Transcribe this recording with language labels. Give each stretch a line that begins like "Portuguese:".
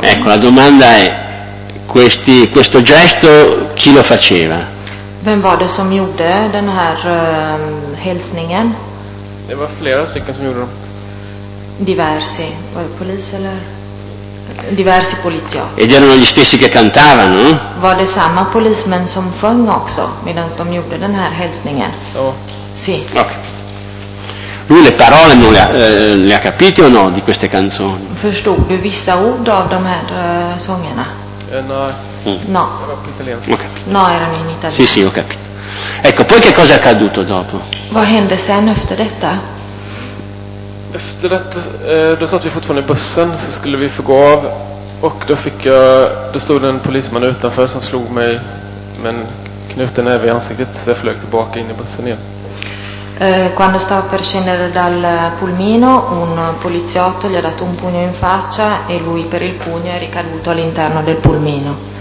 Italian: Ecco, la domanda è: questo gesto chi lo faceva?
Swedish: Vem var det som gjorde den här hälsningen? Det var flera stycken som gjorde dem. Diversi, var det polis eller?
Italian: Diversi poliziotti. Ed erano gli stessi che cantavano?
Swedish: Var det samma polismän som sjöng också medan de gjorde den här hälsningen? Oh.
Italian: Sì. Okay. Lui le parole non le ha capite o no di queste canzoni?
Swedish: Förstod du vissa ord av de här sångerna?
Italian: No. No, erano in italiano. Sì, ho capito. Ecco, poi che cosa è accaduto dopo?
Swedish: Vad hände sen efter detta? Efter detta, då satt vi fortfarande i bussen, så skulle vi få gå av, och då fick jag, då stod en polisman utanför som slog mig med en knuten näve i ansiktet, så jag flög tillbaka in i bussen igen.
Italian: Quando stava per scendere dal pulmino, un poliziotto gli ha dato un pugno in faccia e lui per il pugno è ricaduto all'interno del pulmino.